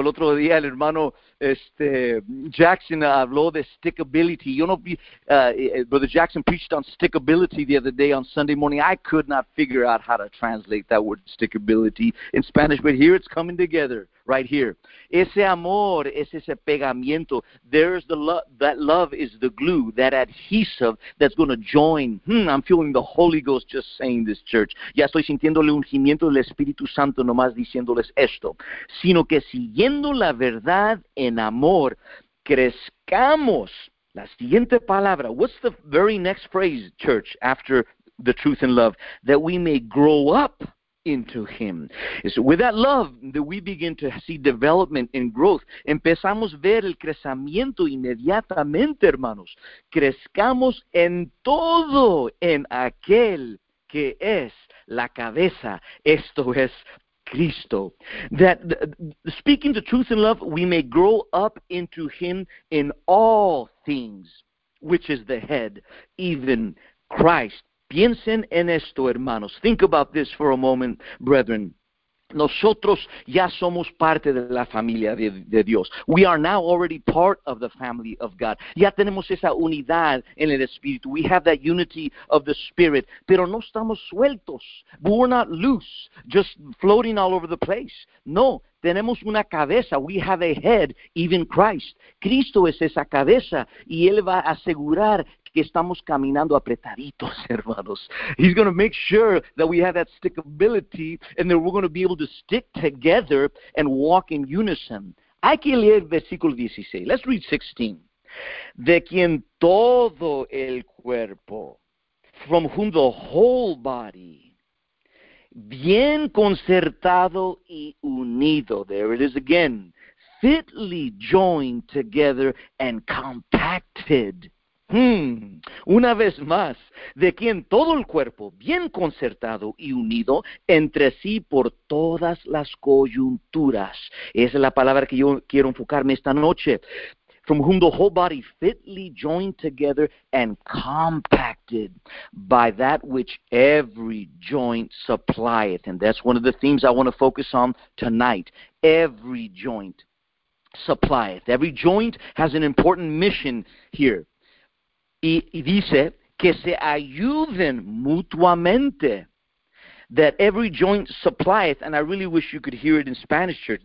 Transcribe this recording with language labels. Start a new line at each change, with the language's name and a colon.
Spanish: El otro día el hermano Jackson habló de stickability.
English: You know, Brother Jackson preached on stickability the other day on Sunday morning. I could not figure out how to translate that word stickability in Spanish, but here it's coming together right here.
Spanish: Ese amor es ese pegamiento.
English: There's the love. That love is the glue, that adhesive that's going to join. I'm feeling the Holy Ghost just saying this, church.
Spanish: Ya estoy sintiendo el ungimiento del Espíritu Santo nomás diciéndoles esto. Sino que siguiendo la verdad en amor, crezcamos. La siguiente palabra.
English: What's the very next phrase, church, after the truth in love? That we may grow up into him. So with that love, that we begin to see development and growth.
Spanish: Empezamos a ver el crecimiento inmediatamente, hermanos. Crezcamos en todo en aquel que es la cabeza. Esto es Cristo.
English: That speaking the truth in love, we may grow up into him in all things, which is the head, even Christ.
Spanish: Piensen en esto, hermanos.
English: Think about this for a moment, brethren.
Spanish: Nosotros ya somos parte de la familia de Dios.
English: We are now already part of the family of God.
Spanish: Ya tenemos esa unidad en el Espíritu.
English: We have that unity of the Spirit.
Spanish: Pero no estamos sueltos.
English: We're not loose, just floating all over the place.
Spanish: No, tenemos una cabeza.
English: We have a head, even Christ.
Spanish: Cristo es esa cabeza y Él va a asegurar que estamos caminando apretaditos, hermanos.
English: He's going to make sure that we have that stickability and that we're going to be able to stick together and walk in unison.
Spanish: Hay que leer versículo 16.
English: Let's read 16.
Spanish: De quien todo el cuerpo,
English: from whom the whole body,
Spanish: bien concertado y unido.
English: There it is again. Fitly joined together and compacted.
Spanish: Una vez más, de quien todo el cuerpo, bien concertado y unido entre sí por todas las coyunturas. Esa es la palabra que yo quiero enfocarme esta noche.
English: From whom the whole body fitly joined together and compacted by that which every joint supplieth. And that's one of the themes I want to focus on tonight. Every joint supplieth. Every joint has an important mission here.
Spanish: Y dice que se ayuden mutuamente,
English: that every joint supplieth, and I really wish you could hear it in Spanish, church.